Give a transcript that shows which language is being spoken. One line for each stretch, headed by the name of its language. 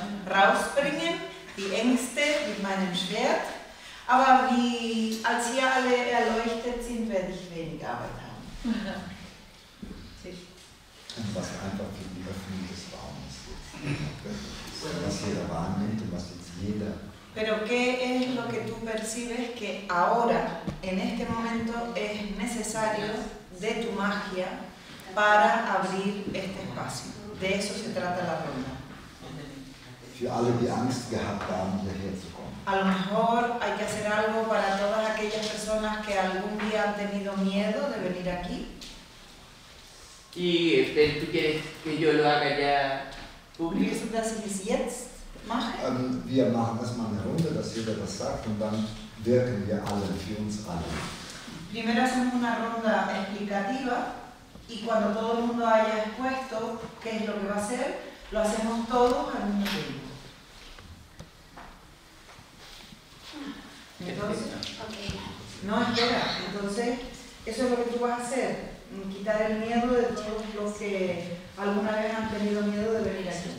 German: Rausbringen, die Ängste mit meinem Schwert, aber wie, als sie alle erleuchtet sind, werde ich wenig Arbeit haben. Und was einfach für die Öffnung des Raumes ist, was jeder wahrnimmt und was jetzt jeder...
Spanish: Pero qué es lo que tú percibes que ahora, en este momento, es necesario de tu magia para abrir este espacio. De eso se trata la ronda.
German: Für alle, die Angst gehabt haben, hierher zu kommen.
Spanish: A lo mejor hay que hacer algo para todas aquellas personas que algún día han tenido miedo de venir aquí. Y usted, ¿tú quieres que yo lo haga ya público? ¿Quieres
German: das ich es jetzt mache? Wir machen erstmal eine Runde, dass jeder das sagt und dann wirken wir alle für uns alle.
Spanish: Primero hacemos una ronda explicativa y cuando todo el mundo haya expuesto qué es lo que va a hacer, lo hacemos todos al mismo tiempo. Entonces, okay. No, espera, entonces, eso es lo que tú vas a hacer, quitar el miedo de todos los que alguna vez han tenido miedo de venir aquí.